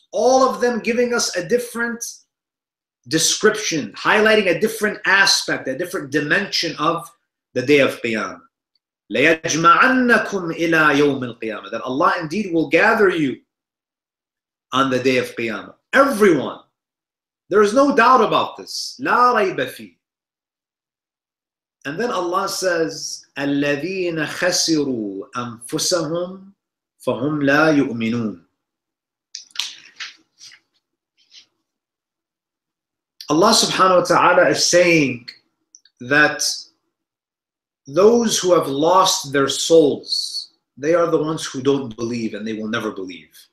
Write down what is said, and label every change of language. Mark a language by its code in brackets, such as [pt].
[en] All of them giving us a different description, highlighting a different aspect, a different dimension of the day of Qiyamah. [ar] لَيَجْمَعَنَّكُمْ إِلَىٰ يَوْمِ الْقِيَامَةِ, [en] that Allah indeed will gather you on the day of Qiyamah. Everyone. There is no doubt about this. [ar] لَا رَيْبَ فِيهِ. [en] And then Allah says, [ar] الَّذِينَ خَسِرُوا أَنفُسَهُمْ فَهُمْ لَا يُؤْمِنُونَ. [en] Allah subhanahu wa ta'ala is saying that those who have lost their souls, they are the ones who don't believe and they will never believe.